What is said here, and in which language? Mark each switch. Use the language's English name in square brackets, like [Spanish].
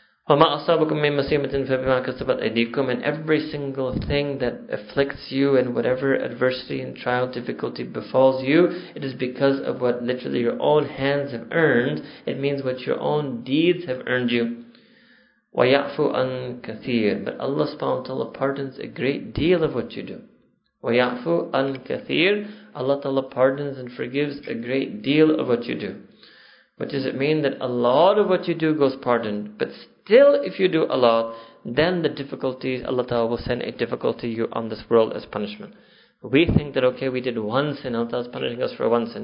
[Arabic] وَمَا أَصَابَكُم مِّن مُّصِيبَةٍ فَبِمَا كَسَبَتْ أَيْدِيكُمْ. [English] And every single thing that afflicts you and whatever adversity and trial difficulty befalls you, it is because of what literally your own hands have earned. It means what your own deeds have earned you. [Arabic] وَيَعْفُ عَن كَثِيرٍ. [English] But Allah subhanahu wa ta'ala pardons a great deal of what you do. [Arabic] وَيَعْفُ عَن كَثِيرٍ. [English] Allah ta'ala pardons and forgives a great deal of what you do. What does it mean? That a lot of what you do goes pardoned, but still if you do a lot, then the difficulties, Allah Ta'ala will send a difficulty to you on this world as punishment. We think that, okay, we did one sin, Allah Ta'ala is punishing us for one sin.